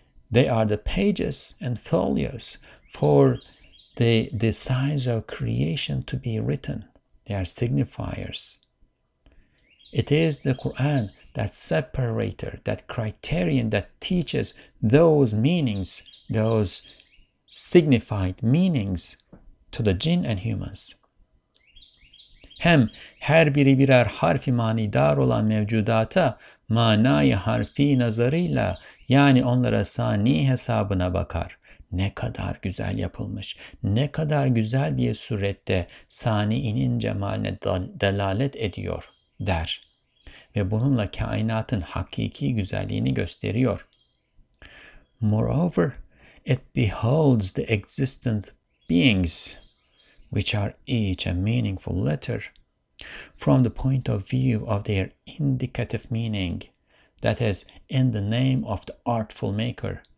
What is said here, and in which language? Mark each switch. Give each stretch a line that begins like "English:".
English: They are the pages and folios for the signs of creation to be written. They are signifiers. It is the Quran, that separator, that criterion that teaches those meanings, those signified meanings to the jinn and humans.
Turkish: Hem her biri birer harfi manidar olan mevcudata manayı harfi nazarıyla, yani onlara sani hesabına bakar. Ne kadar güzel yapılmış, ne kadar güzel bir surette sani'nin cemaline delalet ediyor der. Ve bununla kainatın hakiki güzelliğini gösteriyor.
English: Moreover, it beholds the existent beings, which are each a meaningful letter, from the point of view of their indicative meaning, that is, in the name of the artful maker.